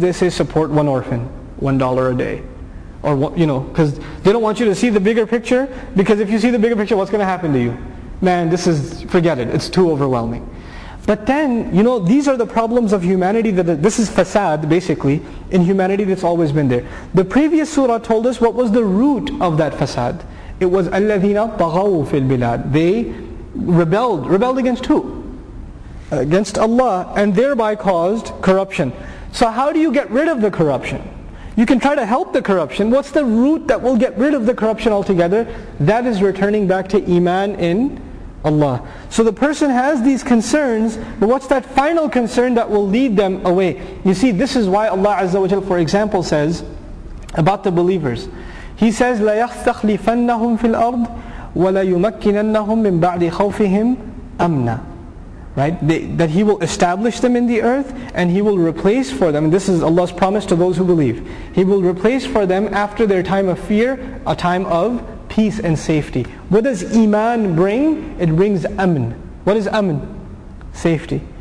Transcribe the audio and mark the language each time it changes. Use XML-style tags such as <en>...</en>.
<en>They say, support one orphan, $1 a day. Or, you know, because they don't want you to see the bigger picture, because if you see the bigger picture, what's going to happen to you? Man, this is, forget it, it's too overwhelming. But then, you know, these are the problems of humanity, that this is fasad, basically, in humanity that's always been there. The previous surah told us what was the root of that fasad. It was</en> <ar>الَّذِينَ طَغَوْا فِي الْبِلَادِ.</ar> <en>They rebelled. Rebelled against who? Against Allah, and thereby caused corruption. So how do you get rid of the corruption? You can try to help the corruption. What's the root that will get rid of the corruption altogether? That is returning back to iman in Allah. So the person has these concerns, but what's that final concern that will lead them away? You see, this is why Allah Azza wa Jalla, for example, says about the believers. He says,</en> <ar>لَيَخْتَخْلِفَنَّهُمْ فِي الْأَرْضِ وَلَيُمَكِّنَنَّهُمْ مِنْ بَعْدِخَوْفِهِمْ أَمْنًا.</ar> <en>Right? That He will establish them in the earth, and He will replace for them, and this is Allah's promise to those who believe, He will replace for them after their time of fear, a time of peace and safety. What does iman bring? It brings amn. What is amn? Safety.</en>